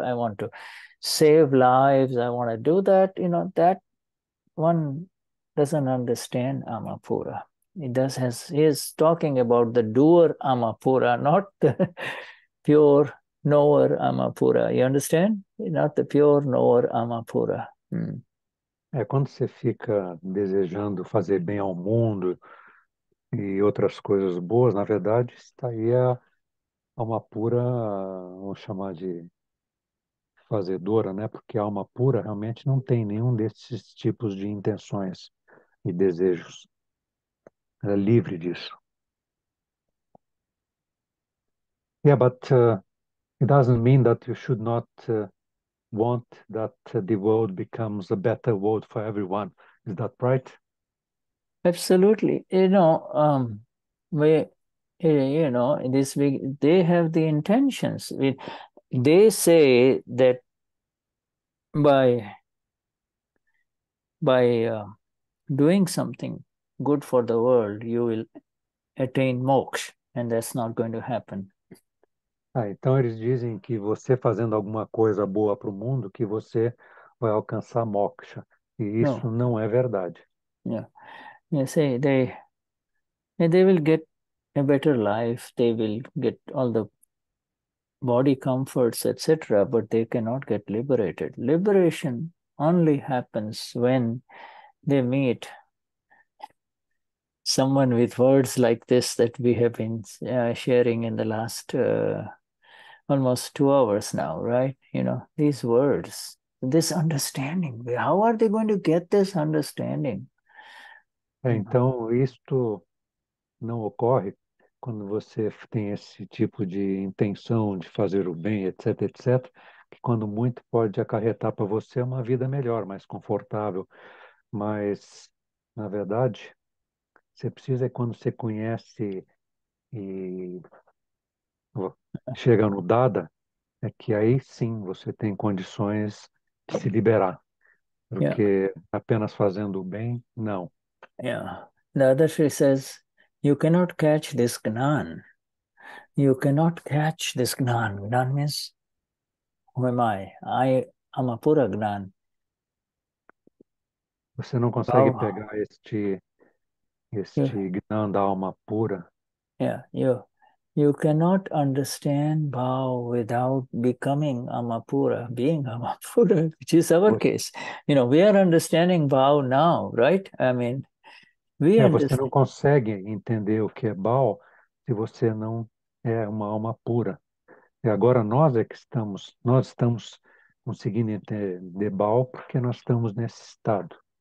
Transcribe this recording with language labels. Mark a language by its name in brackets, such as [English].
[English] I want to save lives. I want to do that. You know, that one doesn't understand Amapura. He is talking about the doer Amapura, not the pure knower Amapura. You understand? Not the pure knower Amapura. [Portuguese] É quando você fica desejando fazer bem ao mundo e outras coisas boas, na verdade, está aí a alma pura, vamos chamar de fazedora, né? Porque a alma pura realmente não tem nenhum desses tipos de intenções e desejos. Ela é livre disso. [English] Yeah, but it doesn't mean that you should not want that the world becomes a better world for everyone. Is that right? Absolutely. You know, they have the intentions. They say that by doing something good for the world, you will attain moksha, and that's not going to happen. [Portuguese] Ah, então eles dizem que você fazendo alguma coisa boa para o mundo, que você vai alcançar moksha, e isso não é verdade. [English] Yeah. You see, they will get a better life, they will get all the body comforts, etc., but they cannot get liberated. Liberation only happens when they meet someone with words like this that we have been sharing in the last almost 2 hours now, right? You know, these words, this understanding, how are they going to get this understanding? [Portuguese] Então, isto não ocorre quando você tem esse tipo de intenção de fazer o bem, etc., etc., que quando muito pode acarretar para você uma vida melhor, mais confortável, Mas, na verdade, você precisa, quando você conhece e chega no Dada, é que aí sim você tem condições de se liberar. Porque apenas fazendo o bem, não. [English] Dadashri says, you cannot catch this Gnan. You cannot catch this Gnan. Gnan means, who am I? I am a pura Gnan. [Portuguese] Você não consegue [English] Oh. [Portuguese] pegar este Gnan da alma pura. [English] You cannot understand Bhav without becoming Amapura, being Amapura, which is our case. We are understanding Bhav now, right? I mean, we [Portuguese] Você não [English] understand. [Portuguese] consegue entender o que é Baal se você não é uma alma pura. E agora nós é que estamos, nós estamos conseguindo entender Baal porque nós estamos nesse estado.